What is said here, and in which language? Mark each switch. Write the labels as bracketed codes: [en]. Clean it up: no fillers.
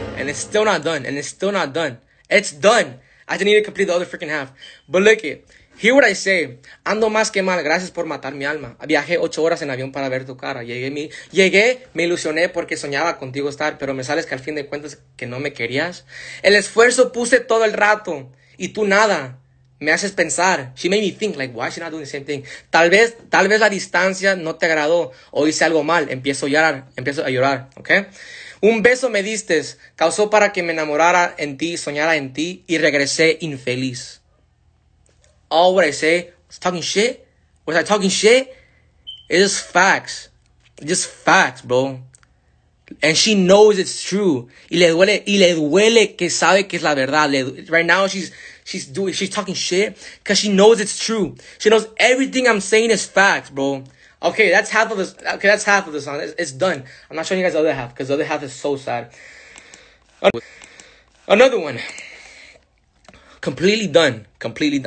[en] Still not done, and it's still not done. It's done. I just need to complete the other freaking half. But look it. Hear what I say. [es] Ando más que mal, gracias por matar mi alma. Viajé 8 horas en avión para ver tu cara. Llegué, me ilusioné porque soñaba contigo estar, pero me sales que al fin de cuentas que no me querías. El esfuerzo puse todo el rato y tú nada. Me haces pensar. [en] She made me think, like, why is she not doing the same thing? [es] Tal vez la distancia no te agradó. O hice algo mal. Empiezo a llorar, ¿ok? Un beso me diste. Causó para que me enamorara en ti, soñara en ti. [en] Y regresé infeliz. All what I say, was talking shit? Was I talking shit? It's just facts. Just facts, bro. And she knows it's true. [es] Y le duele que sabe que es la verdad. [en] Right now she's talking shit because she knows it's true. She knows everything I'm saying is facts, bro. Okay, that's half of this. Okay, that's half of the song. It's done. I'm not showing you guys the other half because the other half is so sad. Another one. Completely done. Completely.